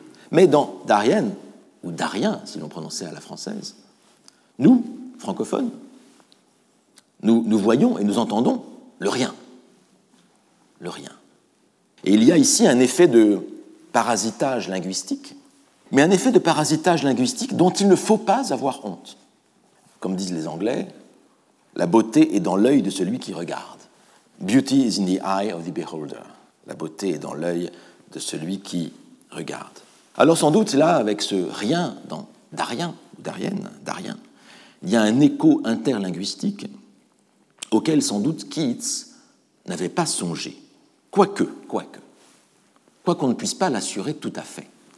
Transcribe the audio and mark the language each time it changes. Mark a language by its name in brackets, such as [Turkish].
[French] Mais dans « Darien », ou « Darien », si l'on prononçait à la française, nous, francophones, nous voyons et nous entendons le rien. Le rien. Et il y a ici un effet de parasitage linguistique, mais un effet de parasitage linguistique dont il ne faut pas avoir honte. Comme disent les Anglais, la beauté est dans l'œil de celui qui regarde. [English] Beauty is in the eye of the beholder. [French] La beauté est dans l'œil de celui qui regarde. Alors sans doute, là, avec ce rien dans Darien, Darien, il y a un écho interlinguistique auquel sans doute Keats n'avait pas songé. Quoi qu'on ne puisse pas l'assurer tout à fait.